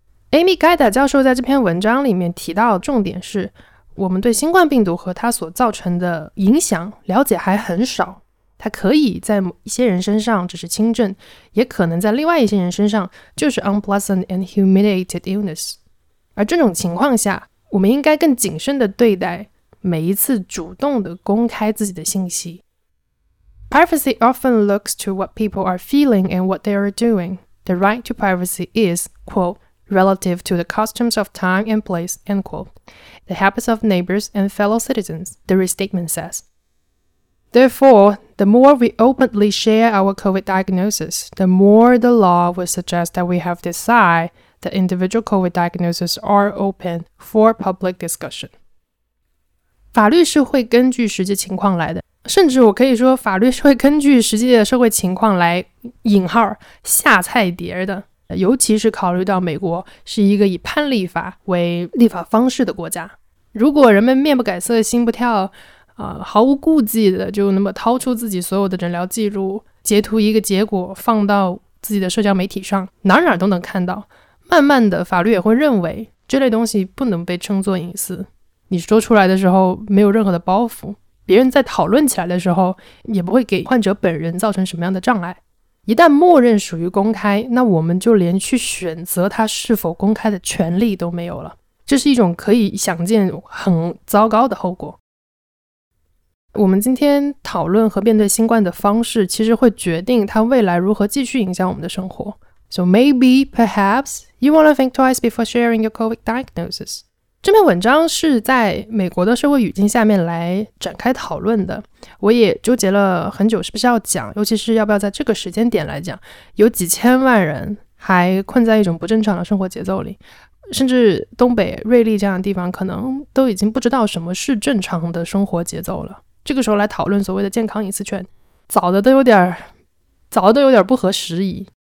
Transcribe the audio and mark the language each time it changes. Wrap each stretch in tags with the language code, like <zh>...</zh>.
<zh>Amy Gaida 教授在这篇文章里面提到的重点是，我们对新冠病毒和它所造成的影响了解还很少，它可以在一些人身上只是轻症，也可能在另外一些人身上就是</zh> <en>unpleasant and humiliated illness。</en> <zh>而这种情况下，我们应该更谨慎地对待每一次主动地公开自己的信息。</zh> <en>Privacy often looks to what people are feeling and what they are doing. The right to privacy is, quote, relative to the customs of time and place, end quote. The habits of neighbors and fellow citizens, the restatement says. Therefore, the more we openly share our COVID diagnosis, the more the law will suggest that we have decided that individual COVID diagnoses are open for public discussion.</en> <zh>法律是会根据实际情况来的，甚至我可以说法律是会根据实际的社会情况来引号下菜碟的，尤其是考虑到美国是一个以判例法为立法方式的国家，如果人们面不改色心不跳毫无顾忌的就那么掏出自己所有的诊疗记录截图一个结果放到自己的社交媒体上，哪哪都能看到，慢慢的法律也会认为这类东西不能被称作隐私，你说出来的时候没有任何的包袱，别人在讨论起来的时候也不会给患者本人造成什么样的障碍。一旦默认属于公开，那我们就连去选择它是否公开的权利都没有了，这是一种可以想见很糟糕的后果。我们今天讨论和面对新冠的方式其实会决定它未来如何继续影响我们的生活。</zh> <en>So maybe, perhaps, you want to think twice before sharing your COVID diagnosis.</en> <zh>这篇文章是在美国的社会语境下面来展开讨论的，我也纠结了很久是不是要讲，尤其是要不要在这个时间点来讲，有几千万人还困在一种不正常的生活节奏里，甚至东北瑞丽这样的地方可能都已经不知道什么是正常的生活节奏了，这个时候来讨论所谓的健康隐私权，早的都有点不合时宜。</zh>